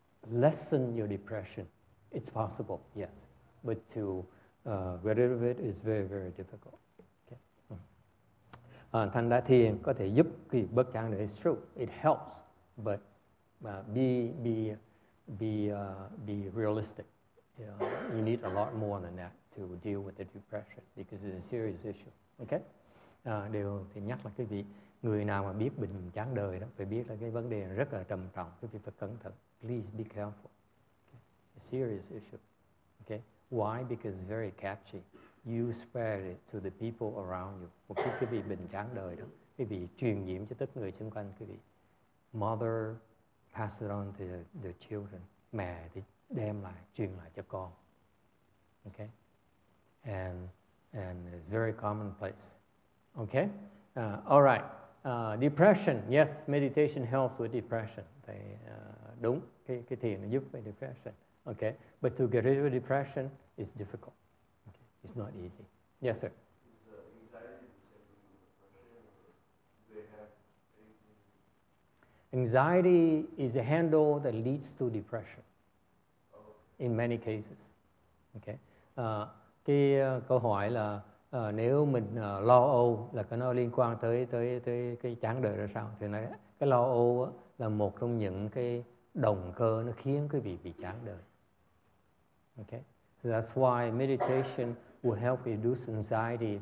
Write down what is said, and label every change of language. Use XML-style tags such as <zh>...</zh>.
<en>Lessen your depression. It's possible, yes, but to get rid of it is very, very difficult.</en> <vi>Thành đã thiền có thể giúp cái bớt chán đời.</vi> <en>It's true, it helps, but be realistic. You need a lot more than that to deal with the depression because it's a serious issue. Okay?</en> <vi>Điều thì nhắc là cái vị người nào mà biết bệnh chán đời đó phải biết là cái vấn đề rất là trầm trọng, cái việc phải cẩn thận.</vi> <en>Please be careful. Okay? A serious issue. Okay? Why? Because it's very catchy. You spread it to the people around you.</en> <vi>Một chút cái vị bệnh chán đời đó, cái vị truyền nhiễm cho tất người xung quanh, cái vị</vi> <en>mother pass it on to the children.</en> <vi>Mẹ thì đem lại, truyền lại cho con.</vi> <en>Okay? And it's very commonplace. Okay? All right. Depression. Yes, meditation helps with depression.</en> <vi>Thầy, đúng, cái thiền giúp với depression.</vi> <en>Okay? But to get rid of depression is difficult. It's not easy. Yes, sir. Is anxiety is a handle that leads to depression. In many cases. Okay.</en> <vi>Câu hỏi là nếu mình lo âu là có nó liên quan tới cái chán đời ra sao? Thì nói cái lo âu là một trong những cái động cơ nó khiến cái vị bị chán đời.</vi> <en>Okay. So that's why meditation will help reduce anxiety.</en>